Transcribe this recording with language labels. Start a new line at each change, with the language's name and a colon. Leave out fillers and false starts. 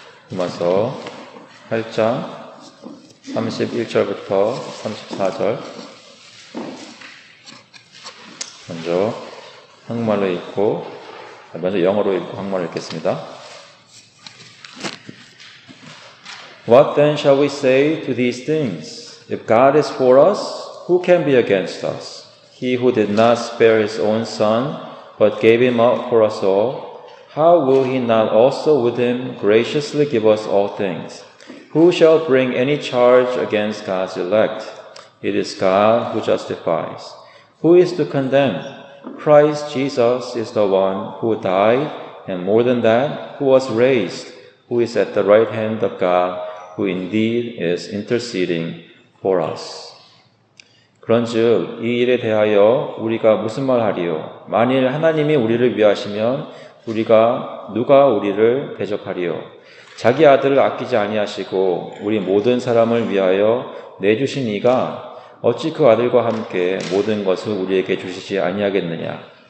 Korean: 로마서 8장 31절부터 34절. 먼저 한국말로 읽고, 먼저 영어로 읽고 한국말로 읽겠습니다.
English: What then shall we say to these things? If God is for us, who can be against us? He who did not spare his own son, but gave him up for us all, how will he not also with him graciously give us all things? Who shall bring any charge against God's elect? It is God who justifies. Who is to condemn? Christ Jesus is the one who died, and more than that, who was raised, who is at the right hand of God, who indeed is interceding for us.
Korean: 그런즉 이 일에 대하여 우리가 무슨 말 하리요? 만일 하나님이 우리를 위하시면 우리가 누가 우리를 대적하리요? 자기 아들을 아끼지 아니하시고 우리 모든 사람을 위하여 내주신 이가 어찌 그 아들과 함께 모든 것을 우리에게 주시지 아니하겠느냐?